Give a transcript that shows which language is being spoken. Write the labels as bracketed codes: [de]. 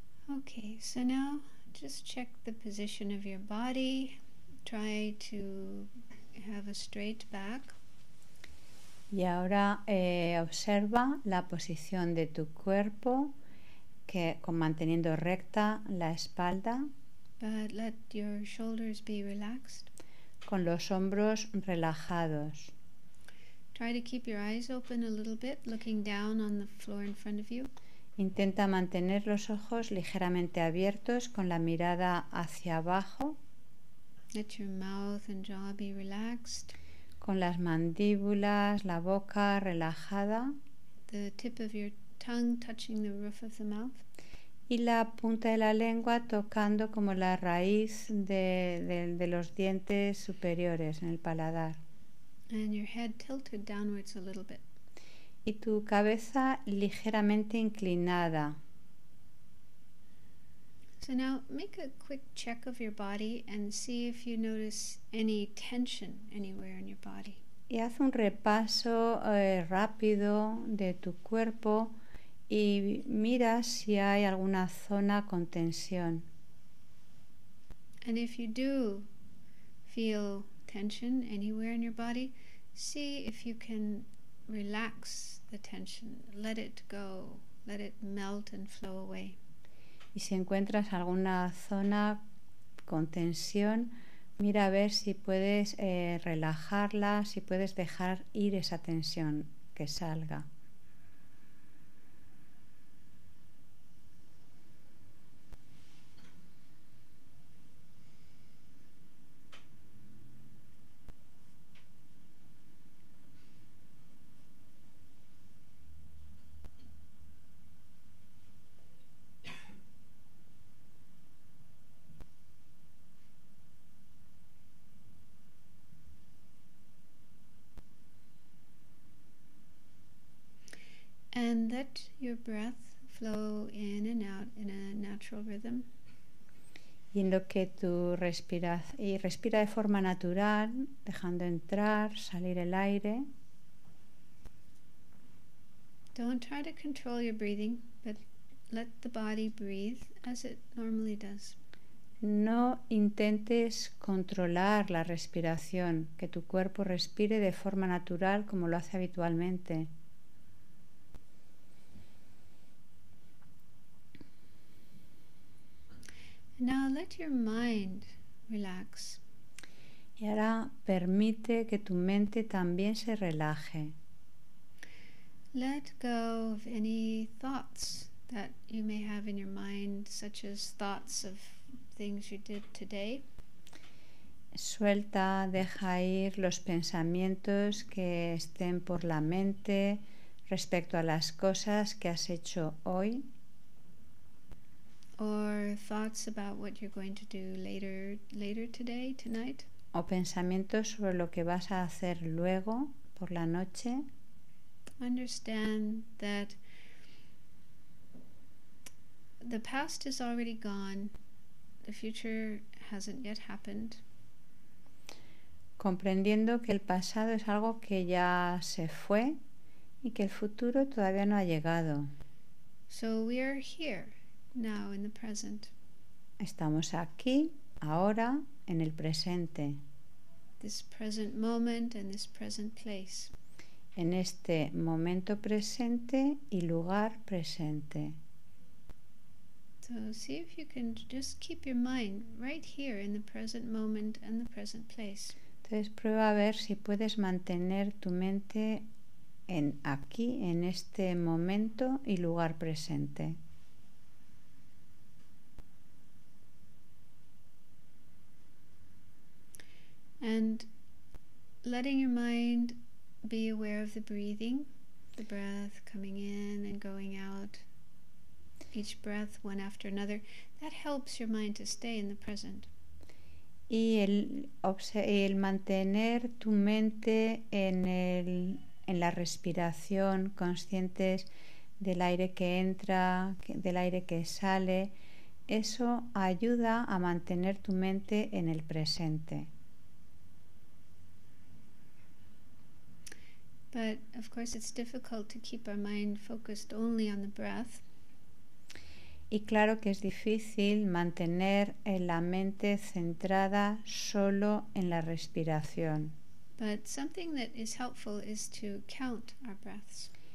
[en] Okay, so now just check the position of your body. Try to have a straight back. [es] Y ahora observa la posición de tu cuerpo, que con manteniendo recta la espalda. [en] But let your shoulders be relaxed. [es] Con los hombros relajados. [en] Try to keep your eyes open a little bit, looking down on the floor in front of you. [es] Intenta mantener los ojos ligeramente abiertos con la mirada hacia abajo. [en] Let your mouth and jaw be relaxed. [es] Con las mandíbulas, la boca relajada. [en] The tip of your tongue touching the roof of the mouth. [es] Y la punta de la lengua tocando como la raíz de los dientes superiores en el paladar. [en] And your head tilted downwards a little bit. [es] Y tu cabeza ligeramente inclinada. [en] So now make a quick check of your body and see if you notice any tension anywhere in your body. [es] Y haz un repaso rápido de tu cuerpo y mira si hay alguna zona con tensión. [en] And if you do feel tension anywhere in your body, see if you can relax the tension, let it go, let it melt and flow away. [es] Y si encuentras alguna zona con tensión, mira a ver si puedes relajarla, si puedes dejar ir esa tensión, que salga. [en] And let your breath flow in and out in a natural rhythm. [es] Y en lo que tú respiras, y respira de forma natural, dejando entrar, salir el aire. [en] Don't try to control your breathing, but let the body breathe as it normally does. [es] No intentes controlar la respiración, que tu cuerpo respire de forma natural como lo hace habitualmente. [en] Now let your mind relax. [es] Y ahora permite que tu mente también se relaje. [en] Let go of any thoughts that you may have in your mind, such as thoughts of things you did today. [es] Suelta, deja ir los pensamientos que estén por la mente respecto a las cosas que has hecho hoy. [en] Or thoughts about what you're going to do later today, tonight. [es] O pensamientos sobre lo que vas a hacer luego por la noche. [en] Understand that the past is already gone. The future hasn't yet happened. [es] Comprendiendo que el pasado es algo que ya se fue y que el futuro todavía no ha llegado. [en] So we are here. Now in the present. [es] Estamos aquí, ahora, en el presente. [en] This present moment and this present place. [es] En este momento presente y lugar presente. [en] So see if you can just keep your mind right here in the present moment and the present place. [es] Entonces prueba a ver si puedes mantener tu mente en aquí, en este momento y lugar presente. [en] And letting your mind be aware of the breathing, the breath coming in and going out, each breath one after another, that helps your mind to stay in the present. [es] Y el mantener tu mente en la respiración, conscientes del aire que entra, del aire que sale, eso ayuda a mantener tu mente en el presente. [en] But of course it's difficult to keep our mind focused only on the breath. [es] Y claro que es difícil mantener la mente centrada solo en la respiración. [en] But something that is helpful is to count our breaths.